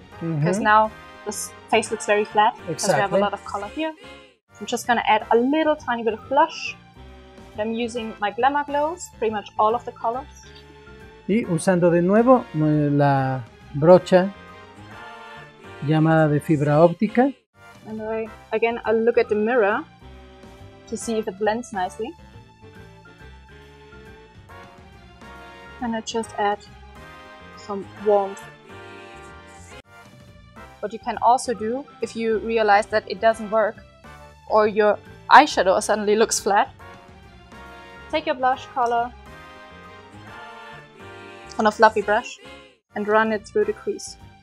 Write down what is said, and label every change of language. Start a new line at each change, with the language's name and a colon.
English: Because now this face looks very flat, because we have a lot of color here. I'm just going to add a little tiny bit of blush. I'm using my Glamour glows, pretty much all of the colors.
Spanish: Y usando de nuevo la brocha llamada de fibra óptica.
English: And I, again, I look at the mirror to see if it blends nicely. And I just add some warmth. What you can also do, if you realize that it doesn't work or your eyeshadow suddenly looks flat, take your blush color on a fluffy brush and run it through the crease.